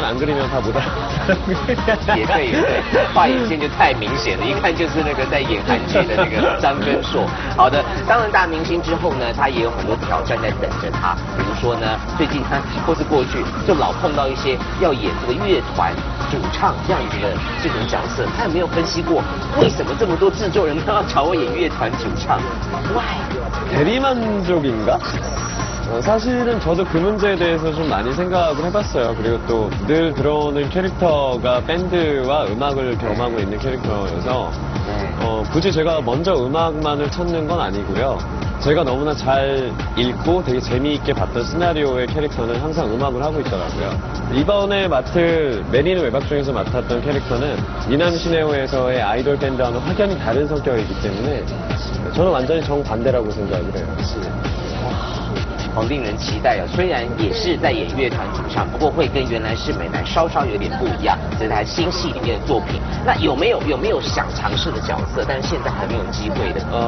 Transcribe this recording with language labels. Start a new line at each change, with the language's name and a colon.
Chinese: 安格里面他不大。也可以，画眼线就太明显了，一看就是那个在演韩剧的那个张根硕。好的，当然大明星之后呢，他也有很多挑战在等着他，比如说呢，最近他或是过去就老碰到一些要演这个乐团。主唱这样一个这种角色，他有没有分析过为什么这么多制作人都要找我演乐团主唱 ？Why？
Korean: 대리만족인가? 사실은 저도 그 문제에 대해서 좀 많이 생각을 해봤어요. 그리고 또 늘 들어오는 캐릭터가 밴드와 음악을 겸하고 있는 캐릭터여서 굳이 제가 먼저 음악만을 찾는 건 아니고요. 제가 너무나 잘 읽고 되게 재미있게 봤던 시나리오의 캐릭터는 항상 음악을 하고 있더라고요. 이번에 맡을 메리는 외박 중에서 맡았던 캐릭터는 미남시네오에서의 아이돌 밴드와는 확연히 다른 성격이기 때문에 저는 완전히 정반대라고 생각을 해요.
Chinese: 好令人期待哦！虽然也是在演乐团主唱，不过会跟原来是美男稍稍有点不一样，这是他新戏里面的作品。那有没有想尝试的角色，但是现在还没有机会的？